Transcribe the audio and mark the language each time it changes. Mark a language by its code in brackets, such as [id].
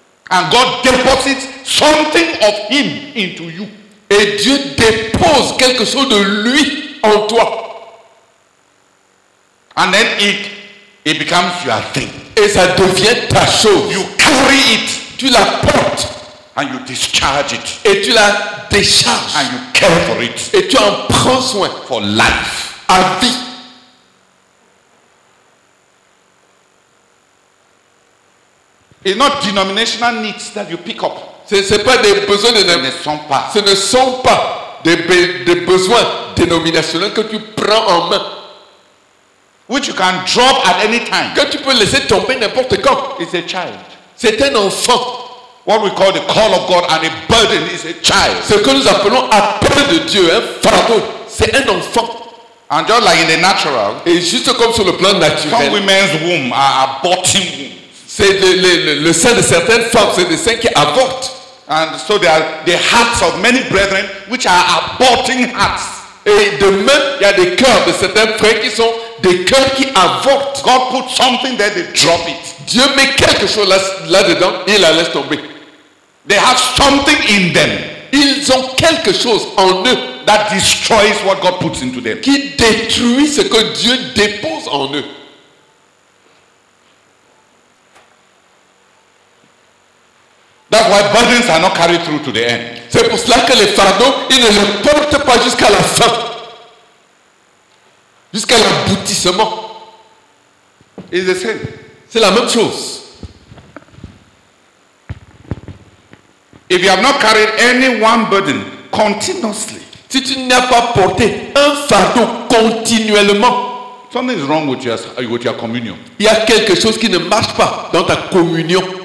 [en] And God deposits something of Him into you. [fr] Et Dieu dépose quelque chose de lui en toi. [en] And then it becomes your thing. [fr] Et ça devient ta chose. [en] You carry it. [fr] Tu la portes. [en] And you discharge it. [fr] Et tu la décharges. [en] And you care for it. [fr] Et tu en prends soin. [en] For life. [fr] À vie. [en] It's not denominational needs that you pick up. [fr] C'est pas des besoins ce ne sont pas des besoins dénominationnels que tu prends en main. [en] Which you can drop at any time. [fr] Que tu peux laisser tomber n'importe quand. [en] It's a child. [fr] C'est un enfant. [en] What we call the call of God and a burden is a child. [fr] Ce que nous appelons appel de Dieu, un fardeau, c'est un enfant. [en] And just like in the natural, [fr] et juste comme sur le plan naturel, [en] some women's womb are aborting womb. [fr] C'est le sein de certaines femmes, c'est le sein qui avorte. [en] And so there are the hearts of many brethren which are aborting hearts. [fr] Et de même, il y a des cœurs de certains frères qui sont des cœurs qui avortent. [en] God put something there, they drop it. [fr] Dieu met quelque chose là dedans, il la laisse tomber. [en] They have something in them. [fr] Ils ont quelque chose en eux [en] that destroys what God puts into them. [fr] Qui détruit ce que Dieu dépose en eux. [en] That's why burdens are not carried through to the end. [fr] C'est pour cela que les fardeaux, ils ne les portent pas jusqu'à la fin, jusqu'à l'aboutissement. [en] It's the same. [fr] C'est la même chose. [en] If you have not carried any one burden continuously, [fr] si tu n'as pas porté un fardeau continuellement, [en] something is wrong with your communion. [fr] Il y a quelque chose qui ne marche pas dans ta communion.